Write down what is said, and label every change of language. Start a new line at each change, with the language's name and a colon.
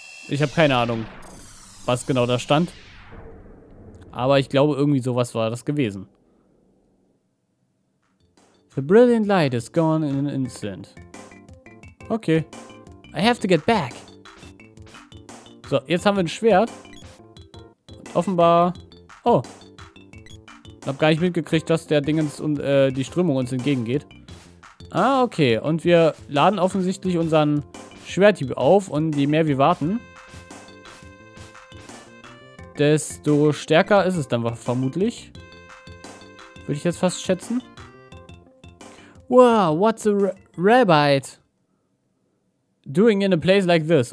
German: Ich habe keine Ahnung, was genau da stand. Aber ich glaube, irgendwie sowas war das gewesen.
English: The brilliant light is gone in an instant. Okay. I have to get back.
German: So, jetzt haben wir ein Schwert. Offenbar. Oh. Hab gar nicht mitgekriegt, dass der Dingens und die Strömung uns entgegengeht. Ah, okay. Und wir laden offensichtlich unseren Schwerthieb auf. Und je mehr wir warten, desto stärker ist es dann vermutlich. Würde ich jetzt fast schätzen.
English: Wow, what's a rabbit doing in a place like this?